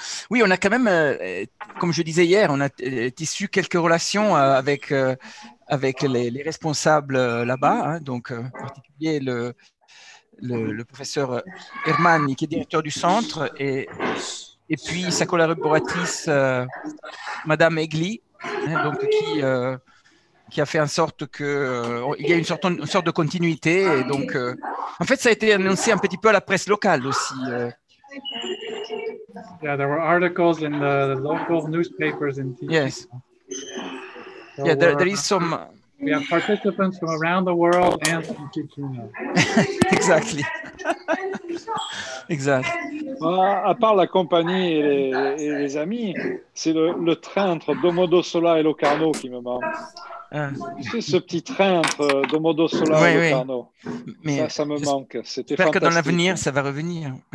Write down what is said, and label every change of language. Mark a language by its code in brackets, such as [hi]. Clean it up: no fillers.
[fr] Oui, on a quand même, comme je disais hier, on a tissu quelques relations avec les responsables là-bas, hein, donc en particulier le professeur Herman, qui est directeur du centre, et puis sa collaboratrice, Madame Aigli, hein, donc qui a fait en sorte qu'il y ait une sorte de continuité. Et donc, en fait, ça a été annoncé un petit peu à la presse locale aussi. [en] Yeah, there were articles in the local newspapers in TV. Yes. So yeah, there is some. We have participants from around the world and from Ticino. Exactly. Exact. [fr] À part la compagnie et les amis, c'est le train entre Domodossola et Locarno qui me manque. C'est ce petit train entre Domodossola et Locarno. Oui. Mais ça me manque. C'était j'espère fantastique. Que dans l'avenir, ça va revenir.